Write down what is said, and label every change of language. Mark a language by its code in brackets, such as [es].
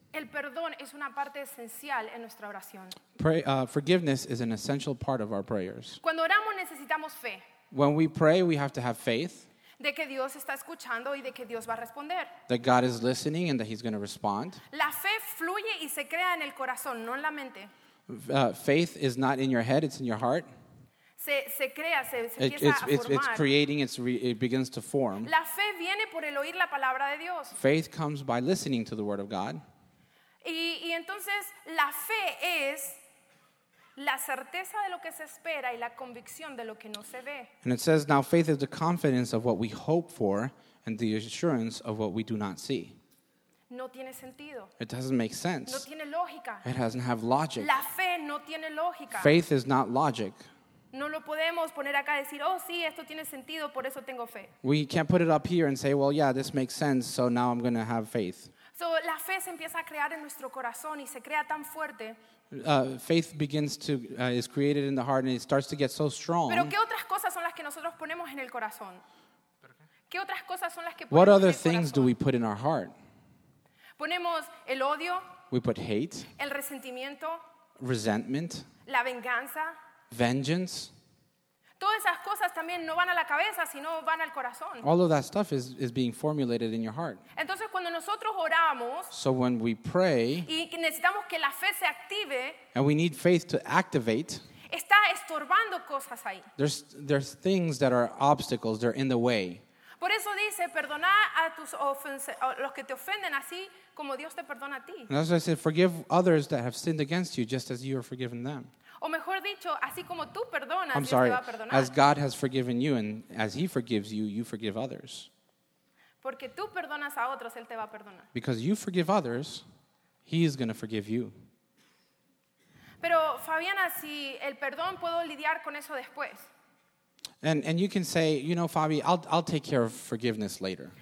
[es] El perdón es una parte esencial en nuestra oración. [en] Forgiveness is an essential part of our prayers. [es] Cuando oramos necesitamos fe. [en] When we pray, we have to have faith. [es] De que Dios está escuchando y de que Dios va a responder. [en] That God is listening and that he's going to respond. [es] La fe fluye y se crea en el corazón, no en la mente. [en] Faith is not in your head, it's in your heart. [es] Se crea, se empieza a formar. [en] It's creating, it begins to form. [es] La fe viene por el oír la palabra de Dios. [en] Faith comes by listening to the word of God. [es] Y entonces la fe es la certeza de lo que se espera y la convicción de lo que no se ve. [en] And it says, now faith is the confidence of what we hope for and the assurance of what we do not see. [es] No tiene sentido. [en] It doesn't make sense. [es] No tiene lógica. [en] It doesn't have logic. [es] La fe no tiene lógica. [en] Faith is not logic. [es] No lo podemos poner acá y decir, oh sí, esto tiene sentido, por eso tengo fe. [en] We can't put it up here and say, well, yeah, this makes sense, so now I'm going to have faith. [es] So, la fe se empieza a crear en nuestro corazón y se crea tan fuerte. [en] Faith begins to is created in the heart and it starts to get so strong. [es] Pero qué otras cosas son las que nosotros ponemos en el corazón? ¿Qué otras cosas son las que [en] What other things do we put in our heart? [es] Ponemos el odio. [en] We put hate. [es] El resentimiento. [en] Resentment. [es] La venganza. [en] Vengeance. [es] Todas esas cosas también no van a la cabeza, sino van al corazón. [en] All of that stuff is being formulated in your heart. [es] Entonces, cuando nosotros oramos, [en] so when we pray, [es] y necesitamos que la fe se active, [en] and we need faith to activate, [es] está estorbando cosas ahí. [en] There's things that are obstacles, they're in the way. [es] Por eso dice, perdona a tus los que te ofenden así como Dios te perdona a ti. [en] And that's why I said, forgive others that have sinned against you just as you have forgiven them. [es] O mejor dicho, así como tú perdonas, [en] I'm sorry, [es] Dios te va a perdonar. [en] As God has forgiven you and as he forgives you, you forgive others. [es] Porque tú perdonas a otros, él te va a perdonar. [en] Because you forgive others, he is going to forgive you. [es] Pero Fabiana, si el perdón puedo lidiar con eso después. [en] And you can say, you know, Fabi, I'll take care of forgiveness later.